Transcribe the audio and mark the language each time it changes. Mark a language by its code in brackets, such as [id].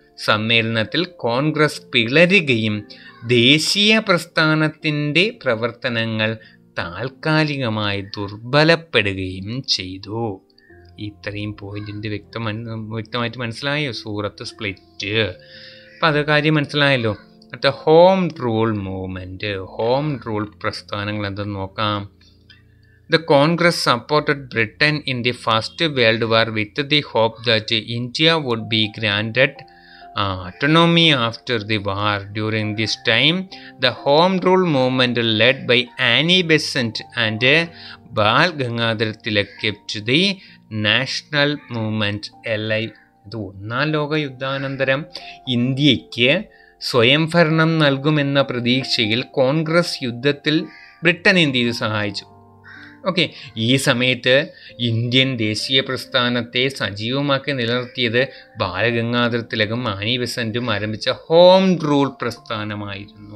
[ml] സമ്മേളനത്തിൽ കോൺഗ്രസ് പിളരുകയും ദേശീയ പ്രസ്ഥാനത്തിൻ്റെ പ്രവർത്തനങ്ങൾ താൽക്കാലികമായി ദുർബലപ്പെടുകയും ചെയ്തു. ഇത്രയും പോയിൻറ്റിൻ്റെ വ്യക്തമായിട്ട് മനസ്സിലായോ? സൂറത്ത് സ്പ്ലിറ്റ്, അപ്പം അത് കാര്യം മനസ്സിലായല്ലോ. അടുത്ത home rule movement, home rule പ്രസ്ഥാനങ്ങൾ എന്തെന്ന് നോക്കാം. [en] The Congress supported Britain in the First World War with the hope that India would be granted autonomy after the war. During this time, the Home Rule Movement led by Annie Besant and Bal Gangadhar Tilak kept the National Movement alive. [ml] ഇത് ഒന്നാം ലോകയുദ്ധാനന്തരം ഇന്ത്യയ്ക്ക് സ്വയംഭരണം നൽകുമെന്ന പ്രതീക്ഷയിൽ കോൺഗ്രസ് യുദ്ധത്തിൽ Britain ഇന്ത്യയെ സഹായിച്ചു. Okay, ഈ സമയത്ത് Indian ദേശീയ പ്രസ്ഥാനത്തെ സജീവമാക്കി നിലനിർത്തിയത് ബാലഗംഗാധര തിലകും ആനി ബെസൻറ്റും ആരംഭിച്ച ഹോം റൂൾ പ്രസ്ഥാനമായിരുന്നു.